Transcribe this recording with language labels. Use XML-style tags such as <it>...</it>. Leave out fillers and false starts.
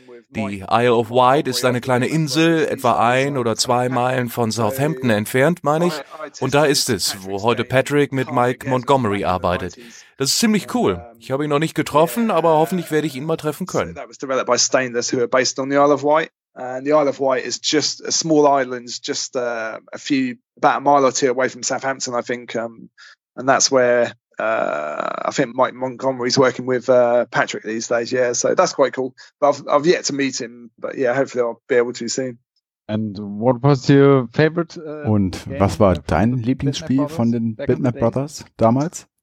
<de>Die Isle of Wight ist eine kleine Insel, etwa 1 oder 2 Meilen von Southampton entfernt, meine ich. Und da ist es, wo heute Patrick mit Mike Montgomery arbeitet. Das ist ziemlich cool. Ich habe ihn noch nicht getroffen, aber hoffentlich werde ich ihn mal treffen können. Das wurde von Stainless, die</de> <en>based on the Isle of Wight. And the Isle of Wight is just a small island, just a few, about a mile or two away from Southampton, I think. And that's where I think Mike Montgomery's working with Patrick these days. Yeah, so that's quite cool. But I've yet to meet him, but yeah, hopefully I'll be able to soon. And what was your favorite?</en> <de>Und was war dein Lieblingsspiel von den Bitmap Brothers damals?</de>